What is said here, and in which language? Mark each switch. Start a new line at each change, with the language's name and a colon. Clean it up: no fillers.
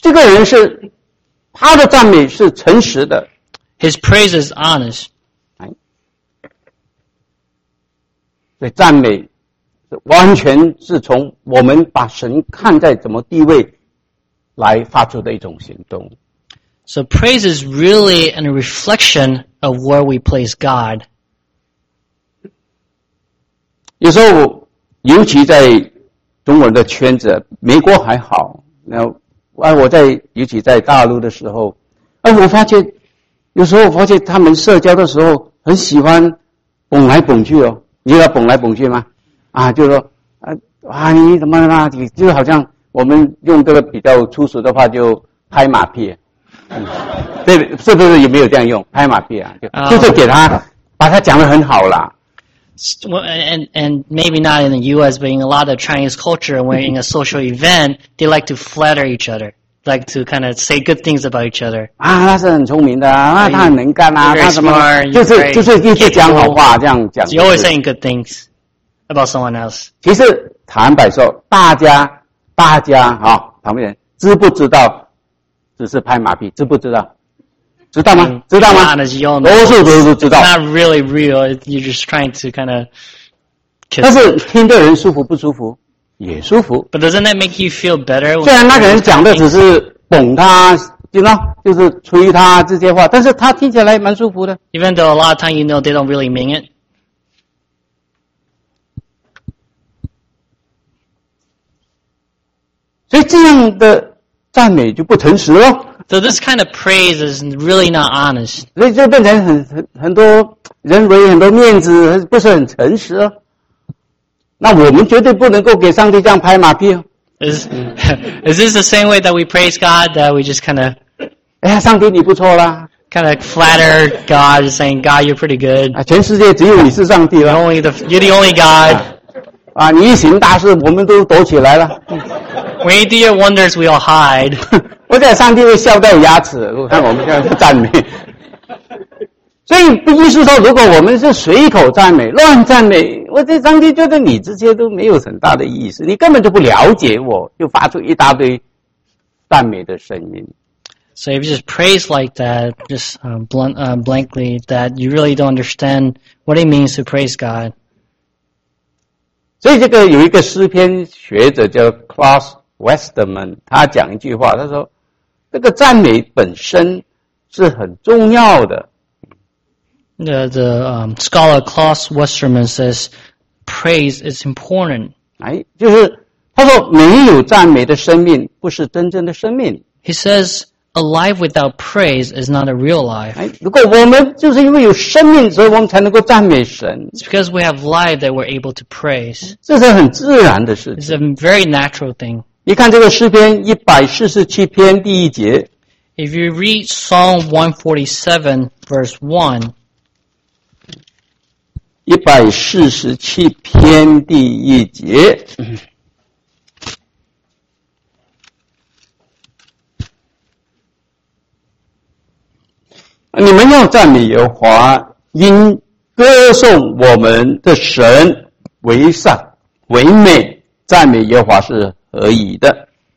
Chinese: 这个人是他的赞美是诚实的。
English: His praise is honest.
Chinese: 对，赞美完全是从我们把神看在怎么地位来发出的一种行动。
English: So praise is really a reflection of where we place God.
Chinese: 有时候，尤其在中国人的圈子，美国还好。那我在尤其在大陆的时候，我发现有时候我发现他们社交的时候很喜欢捧来捧去哦，你要捧来捧去吗？啊，就是说，你怎么啦？就好像我们用这个比较粗俗的话，就拍马屁，是不是有没有这样用拍马屁啊？就是给他把他讲得很好啦。
English: And maybe not in the U.S., but in a lot of Chinese culture, when in a social event, they like to flatter each other, like to kind of say good things about each other.
Chinese: 啊，他是很聪明的，他很能干啊，
English: smart,
Chinese: 他什么就是一直讲好话，这样讲。
English: You're always saying good things.About someone else.
Chinese: 其实坦白说，大家大家啊，旁边人知不知道？只是拍马屁，知不知道？知道吗？知道吗？多数都是知道。
English: It's not really real. You're just trying to kind of.
Chinese: 但是听的人舒服不舒服？也舒服。
English: But doesn't that make you feel better?
Chinese: 虽然那个人讲的只是哄他。
English: You know,
Chinese: 就是吹他这些话，但是他听起来蛮舒服的。
English: Even though a lot of time you know they don't really mean it.
Chinese: 所以这样的赞美就不诚实了。
English: So this kind of praise is really not honest.
Chinese: 所以就变成很多人为很多面子，不是很诚实哦。那我们绝对不能够给上帝这样拍马屁哦。
English: Is this the same way that we praise God, that we just kind of,
Chinese: 哎呀，上帝你不错啦。
English: Kind of flatter God, saying, God, you're pretty good.
Chinese: 啊，全世界只有你是上帝了。
English: You're the only God.
Chinese: 啊，你一行大事，我们都躲起来了。
English: When you do your wonders, we all hide.
Chinese: 我在上帝会笑到牙齿，看我们这样赞美。所以不意思说，如果我们是随口赞美、乱赞美，我这上帝觉得你这些都没有很大的意思，你根本就不了解我，就发出一大堆赞美的声音。
English: So if you just praise like that, just blankly, that you really don't understand what it means to praise God.
Chinese: 所以这个有一个诗篇学者叫 Claus Westerman， 他讲一句话，他说：“这个赞美本身是很重要的。”
English: The scholar Claus Westerman says, "Praise is important."
Chinese: 哎，就是他说，没有赞美的生命不是真正的生命。
English: He says, "A life without praise is not a real life."
Chinese: 哎，如果我们就是因为有生命，所以我们才能够赞美神。
English: It's because we have life that we're able to praise.
Chinese: 这是很自然的事情。
English: It's a very natural thing.
Chinese: 你看这个诗篇147篇第一节。
English: If you read Psalm 147, verse 1.
Chinese: 147篇第一节，你们要赞美耶和华，应歌颂我们的神为善为美，赞美耶和华是何以的。